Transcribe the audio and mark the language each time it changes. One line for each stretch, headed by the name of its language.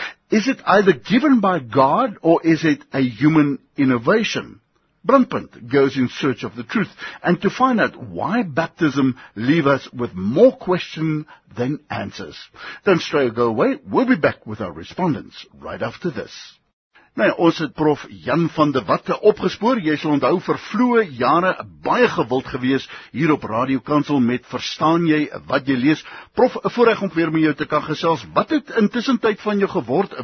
English: Is it either given by God or is it a human innovation? Brandpunt goes in search of the truth and to find out why baptism leaves us with more questions than answers. Don't stray or go away. We'll be back with our respondents right after this.
Afrikaans: Nou, ons het prof Jan van der Watte opgespoor. Jy sal onthou vir vloe jare baie gewild gewees hier op Radio Kansel met Verstaan jy wat jy lees. Prof, voorreg om weer met jou te kan gesels. Wat het intussen tyd van jou geword?